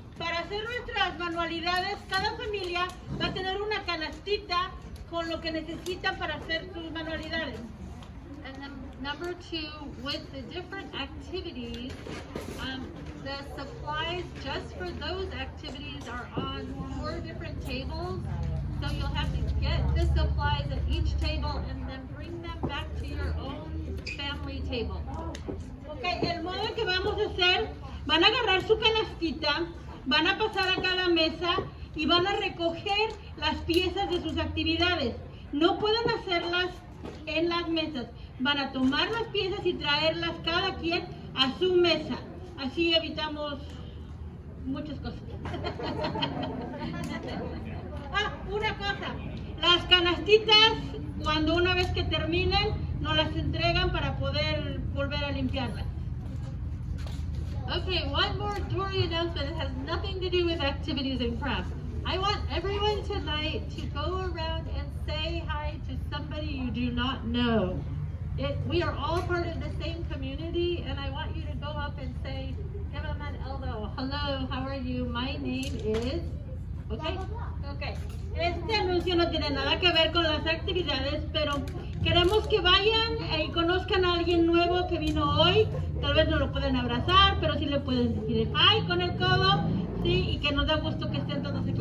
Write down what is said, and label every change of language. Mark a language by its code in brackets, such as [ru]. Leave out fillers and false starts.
[es] Para hacer nuestras manualidades, cada familia va a tener una canastita con lo que necesita para hacer sus manualidades. [en] And then number two, with the different activities, the supplies just for those activities are on four different tables. So you'll have to get the supplies at each table and then bring them back to your own family table. [es] Okay, el modo que vamos a hacer, van a agarrar su canastita, van a pasar a cada mesa y van a recoger las piezas de sus actividades. No pueden hacerlas en las mesas. Van a tomar las piezas y traerlas cada quien a su mesa. Así evitamos muchas cosas. Ah, una cosa. Las canastitas, cuando una vez que terminen, nos las entregan para poder volver a limpiarlas. [en] Okay, one more story announcement. It has nothing to do with activities and crafts. I want everyone tonight to go around and say hi to somebody you do not know. We are all part of the same community, and I want you to go up and say, give them an elbow. Hello, how are you? My name is... Okay? Okay. [es] Este anuncio no tiene nada que ver con las actividades, pero queremos que vayan y conozcan a alguien nuevo que vino hoy. Tal vez no lo pueden abrazar, pero sí le pueden decir hi con el codo, sí, y que nos da gusto que estén todos aquí.